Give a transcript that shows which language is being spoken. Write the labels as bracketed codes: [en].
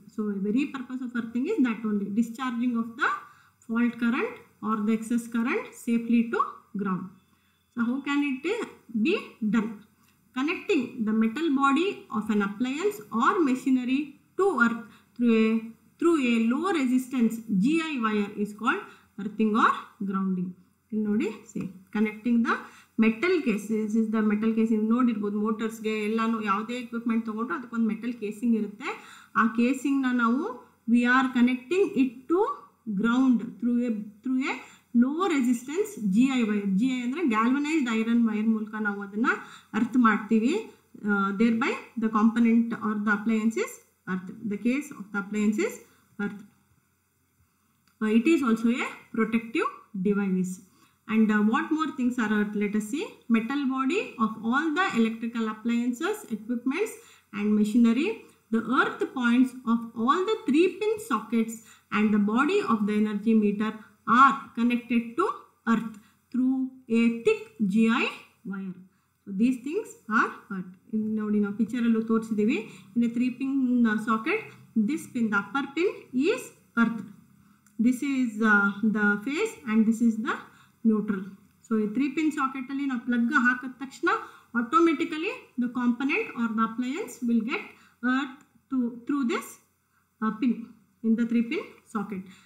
[en] So the very purpose of earthing is that only, discharging of the fault current or the excess current safely to ground. So how can it be done? Connecting the metal body of an appliance or machinery to earth through a low resistance GI wire is called earthing or grounding. [kn] ಇಲ್ಲಿ ನೋಡಿ, [en] Say connecting the metal case, this is the metal case. [kn] ನೀವು ನೋಡಿರ್ಬೋದು ಮೋಟರ್ಸ್ಗೆ ಎಲ್ಲಾನು, ಯಾವುದೇ equipment ತೊಗೊಂಡ್ರು ಅದಕ್ಕೊಂದು metal casing ಇರುತ್ತೆ. ಆ ಕೇಸಿಂಗ್ನ ನಾವು [en] We are connecting it to ground through a low resistance GI wire. [kn] GI ಅಂದರೆ ಗ್ಯಾಲ್ವನೈಸ್ಡ್ ಐರನ್ ವೈರ್ ಮೂಲಕ ನಾವು ಅದನ್ನು ಅರ್ತ್ ಮಾಡ್ತೀವಿ. [en] Thereby the component or the appliances earth, the case of the appliances earth. It is also a protective device. And what more things are earth, let us see. Metal body of all the electrical appliances equipments and machinery, the earth points of all the 3-pin sockets and the body of the energy meter are connected to earth through a thick GI wire. So these things are earth. [kn] In nodi na picture alu torisidivi, [en] in a 3-pin socket, this pin, the upper pin is earth, this is the face and this is the neutral. So [kn] ee 3 pin socket alli na plug hakat takshna [en] automatically the component or the appliance will get earth to through this pin in the 3 pin socket.